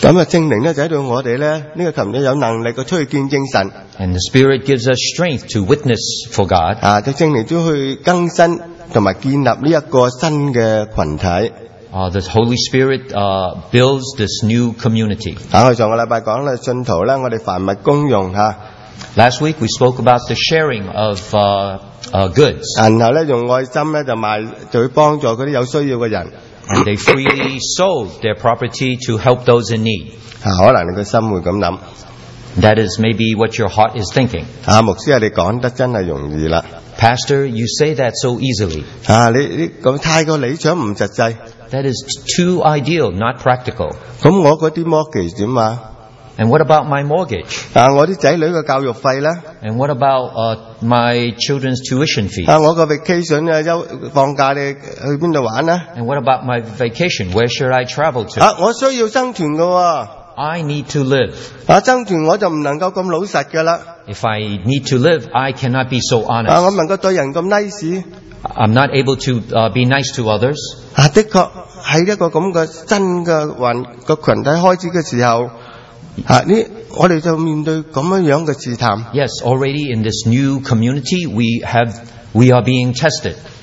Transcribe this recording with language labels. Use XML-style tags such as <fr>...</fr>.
<zh>圣灵就在我们,这个昨天有能力出去见证神,</zh> <en>and the Spirit gives us strength to witness for God.</en> <zh>圣灵就去更新和建立这个新的群体。</zh> <en>The Holy Spirit builds this new community.</en> <zh>上个礼拜讲信徒,我们凡物公用,</zh> <en>Last week we spoke about the sharing of goods.</en> <zh>然后用爱心去帮助那些有需要的人。</zh> <en>And they freely sold their property to help those in need.</en> <zh>可能你的心会这么想。</zh> <en>That is maybe what your heart is thinking.</en> <zh>牧师,你说得真的容易了。</zh> <en>Pastor, you say that so easily.</en> <zh>你太过理想不实际。</zh> <en>That is too ideal, not practical.</en> <zh>那我那些mortgage怎么办?</zh> <en>And what about my mortgage?</en> <zh>我的仔女的教育费呢?</zh> <en>And what about my children's tuition fees?</en> <zh>我的vacation,放假去哪裡玩呢?</zh> <en>And what about my vacation? Where should I travel to?</en> <zh>我需要生存的。</zh> <en>I need to live.</en> <zh>生存我就不能夠那麼老實的了。</zh> <en>If I need to live, I cannot be so honest.</en> <zh>我不能夠對人那麼nice。</zh> <en>I'm not able to be nice to others.</en> <zh>的確,在一個這樣的新的群體開始的時候, 我們就面對這樣的試探。</zh> <en>Yes, already in this new community, we are being tested.</en>